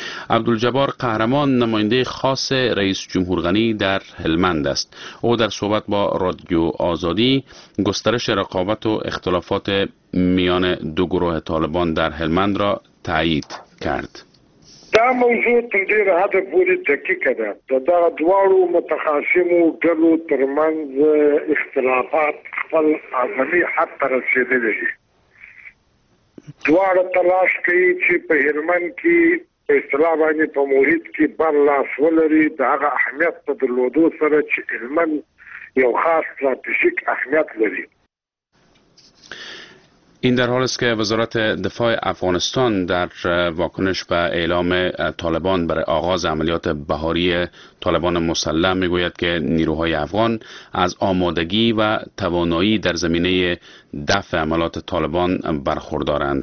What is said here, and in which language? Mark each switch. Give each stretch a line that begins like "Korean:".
Persian: عبدالجبار قهرمان نماینده خاص رئیس جمهور غنی در هلمند است. او در صحبت با رادیو آزادی گسترش رقابت و اختلافات میان 2 گروه طالبان در هلمند را تایید کرد.
Pashto: دا موضوع تر ډېر حده پورې دقیقه ده. د دغه دواړو متخاصمو ډلو ترمنځ اختلافات خپل عظمي حد ته رسېدلي دي. دواړه تلاش کوي چې په هلمند کې په اصطلاح باندې په محیط کې بر لاس ولري، د هغه اهمیت په درلودو سره چې هلمند یو خاص ستراتیژیک اهمیت لري.
Persian: این در حال است که وزارت دفاع افغانستان در واکنش به اعلام طالبان برای آغاز عملیات بهاری طالبان مسلح میگوید که نیروهای افغان از آمادگی و توانایی در زمینه دفع عملیات طالبان برخوردارند.